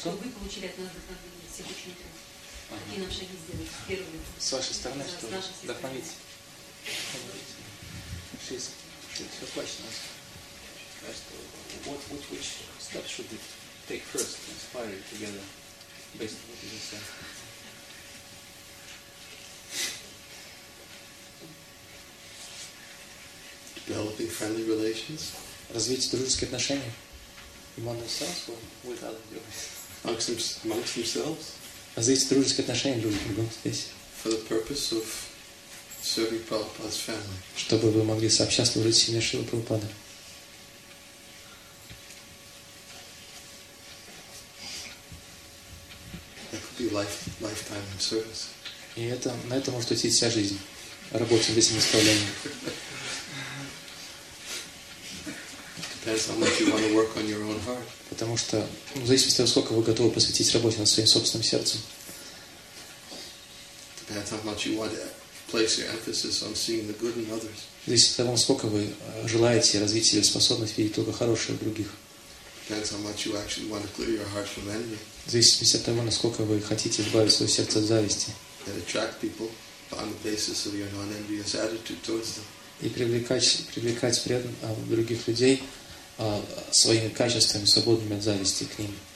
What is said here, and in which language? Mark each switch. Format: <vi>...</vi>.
<ru>Чтобы вы получили от нас вдохновение, все ученики. Ага. Какие нам шаги сделать первые? С вашей стороны, что вдохновить. Шесть.</ru> <en>Which step should we take first to inspire you together, based on what you just said? Developing friendly relations.</en> <ru>Развить дружеские отношения.</ru> <en>Among themselves or with other devotees? Amongst themselves.</en> <ru>Развить дружеские отношения друг с другом здесь.</ru> <en>For the purpose of serving Prabhupada's family.</en> <ru>Чтобы вы могли сообща служить семье Шрилы Прабхупады.</ru> <en>That could be lifetime in service.</en> <ru>И это, на это может уйти вся жизнь. Работать над этим исправлением.</ru> <en>Depends how much you want to work on your own heart.</en> <ru>Потому что в зависимости от того, сколько вы готовы посвятить работе над своим собственным сердцем.</ru> <en>Depends how much you want to place your emphasis on seeing the good in others.</en> <ru>Зависит от того, сколько вы желаете развить себе способность видеть только хорошее в других.</ru> <en>Depends how much you actually want to clear your heart from envy.</en> <ru>Зависит от того, насколько вы хотите избавить свое сердце от зависти.</ru> <en>And attract people on the basis of your non-envious attitude towards them.</en> <ru>И привлекать преданных других людей своими качествами, свободными от зависти к ним.</ru>